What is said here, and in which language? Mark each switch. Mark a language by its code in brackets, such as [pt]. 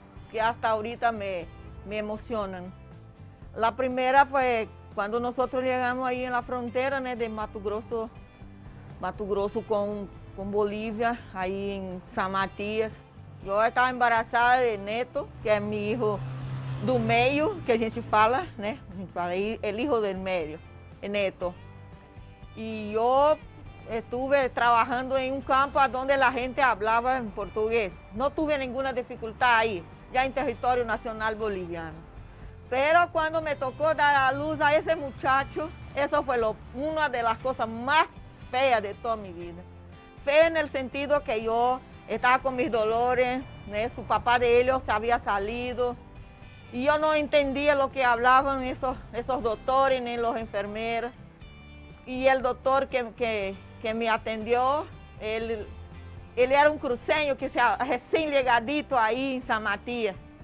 [es] que hasta ahorita me emocionan. La primera fue cuando nosotros llegamos ahí en la frontera, ¿no? De Mato Grosso con Bolivia, ahí en San Matías. Yo estaba embarazada de Neto, que es mi hijo [pt] do meio, que a gente fala, né? A gente fala, [es] el hijo del medio, el Neto. [pt] E eu estuve trabalhando em um campo onde a gente falava em português. Não tive nenhuma dificuldade aí, já em território nacional boliviano. Pero quando me tocou dar a luz a esse muchacho, isso foi uma das coisas mais feias de toda a minha vida. Feia no sentido que eu estava com meus dolores, né? Su papá de ele se havia salido. [es] Y yo no entendía lo que hablaban esos doctores ni los enfermeros. Y el doctor que me atendió, él era un cruceño que se recién llegadito ahí en San Matías.